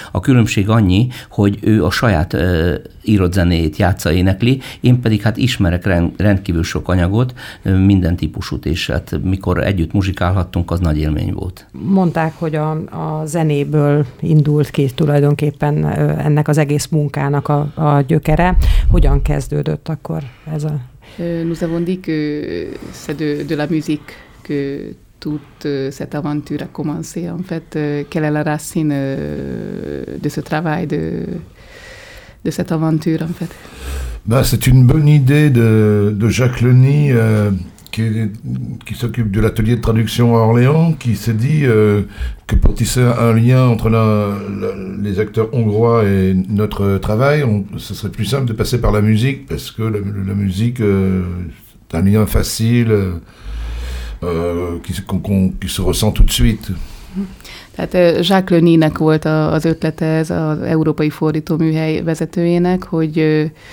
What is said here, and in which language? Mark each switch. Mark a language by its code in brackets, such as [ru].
[hu] A különbség annyi, hogy ő a saját írott zenét játsza, énekli, én pedig hát ismerek rendkívül sok anyagot, minden típusút, és hát mikor együtt muzsikálhattunk, az nagy élmény volt. Mondták, hogy a zenéből indult ki tulajdonképpen ennek az egész munkának a gyökere. Hogyan kezdődött akkor ez a... [fr] Nous avons dit que c'est de la musique que toute cette aventure a commencé, en fait. Quelle est la racine de ce travail, de cette aventure, en fait? Ben, c'est une bonne idée de Jacques Leny, qui s'occupe de l'atelier de traduction à Orléans, qui s'est dit que pour tisser un lien entre les acteurs hongrois et notre travail, ce serait plus simple de passer par la musique, parce que la musique, c'est un lien facile, qui se ressent tout de suite. [hu] Tehát Jacques Lenynek volt az ötlete ez az európai fordító műhely vezetőjének, hogy